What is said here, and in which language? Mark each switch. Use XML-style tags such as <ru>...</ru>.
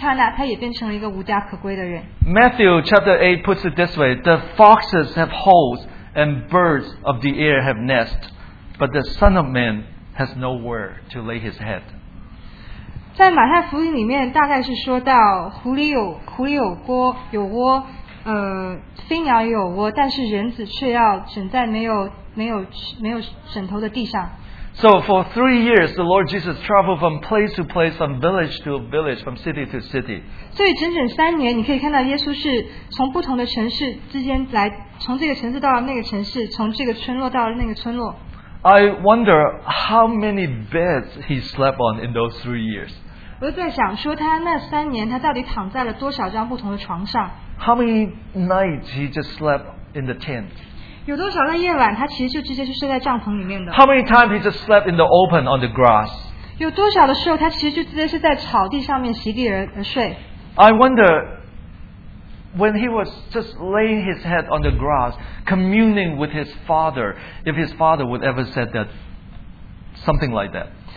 <zh>而且他遵守他父神给他的指导，也就在那一刹那，他也变成了一个无家可归的人。</zh> <en>Matthew chapter 8 puts it this way: the foxes have holes, and birds of the air have nests, but the Son of Man has nowhere to lay his head.</en> <zh>在马太福音里面大概是说到狐狸有锅有窝飞鸟有窝, 但是人子却要枕在没有枕头的地上。</zh> <en>So for 3 years, the Lord Jesus traveled from place to place, from village to village, from city to city.</en> <zh>所以整整三年，你可以看到耶稣是从不同的城市之间来，从这个城市到那个城市，从这个村落到那个村落。</zh> <en>I wonder how many beds he slept on in those 3 years.</en> <zh>我在想说，他那三年他到底躺在了多少张不同的床上？</zh> <en>How many nights he just slept in the tent?</en> <zh>有多少的夜晚他其实就直接就睡在帐篷里面的？</zh> <en>How many times he just slept in the open on the grass?</en> <zh>有多少的时候他其实就直接是在草地上面席地而睡？</zh> <en>I wonder when he was just laying his head on the grass, communing with his father, if his father would ever said that something like that.</en>